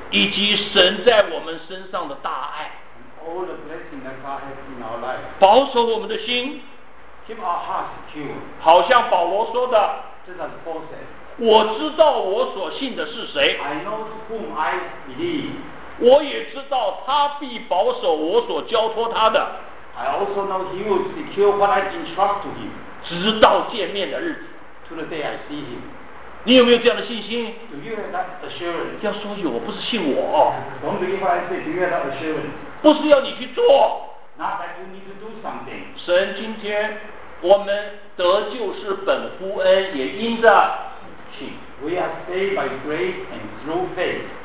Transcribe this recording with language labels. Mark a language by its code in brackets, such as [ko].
[zh] 以及神在我们身上的大爱 [en] all the blessing that God has in our life, [zh] 保守我们的心 [en] keep our hearts secure. [zh] 好像保罗说的 [en] Just as Paul said, [zh] 我知道我所信的是谁 [en] I know to whom I believe. [zh] 我也知道他必保守我所交托他的 [en] I also know he will secure what I entrust to him. [zh] 直到见面的日子 [en] to the day I see him. [zh] 你有没有这样的信心？ [en] Do you have that assurance? [zh] 要说有，不是信我。 [en] Don't believe what I say. Do you have that assurance? [zh] 不是要你去做。 [en] Not that you need to do something. [zh] 神，今天我们得救是本乎恩，也因着信。 [en] We are saved by grace and through faith.